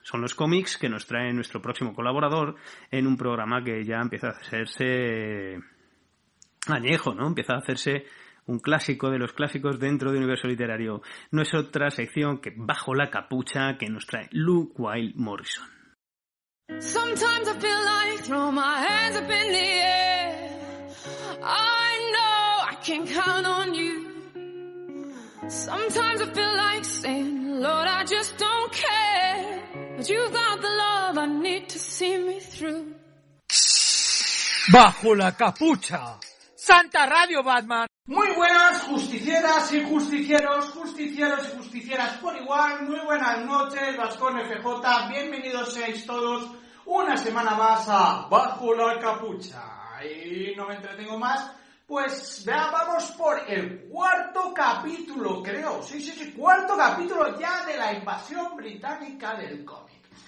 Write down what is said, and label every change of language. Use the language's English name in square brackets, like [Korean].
[Spanish] Son los cómics que nos trae nuestro próximo colaborador en un programa que ya empieza a hacerse añejo, ¿no? Empieza a hacerse un clásico de los clásicos dentro de Universo Literario. No es otra sección que Bajo la Capucha, que nos trae Lou Wild Morrison. [English] Sometimes I feel like throw my hands up in the air. I know I can count on you. Sometimes I feel like saying, Lord, I just don't care. But you've got the love I need to see me through. [Spanish] Bajo la capucha. Santa Radio Batman. Muy buenas justicieras y justicieros, justicieros y justicieras por igual. Muy buenas noches, Vascón FJ. Bienvenidos seáis todos una semana más a Bajo la Capucha. Y no me entretengo más. Pues ya vamos por el cuarto capítulo, creo, sí, cuarto capítulo ya de la invasión británica del cómic.